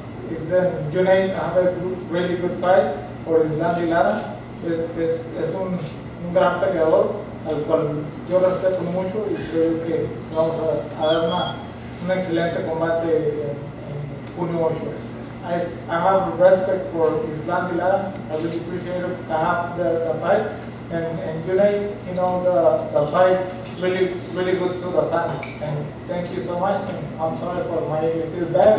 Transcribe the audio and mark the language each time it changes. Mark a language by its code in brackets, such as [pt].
[en] It's then, June 8th, I have a really good fight for Islandi Lara. [es] Es un gran peleador, al cual yo respeto mucho y creo que vamos a dar un excelente combate en 1-8. [en] I have respect for Islandi Lara. I really appreciate it to have the fight. And tonight, you know, the fight really, really good to the fans. And thank you so much. And I'm sorry for my English is bad.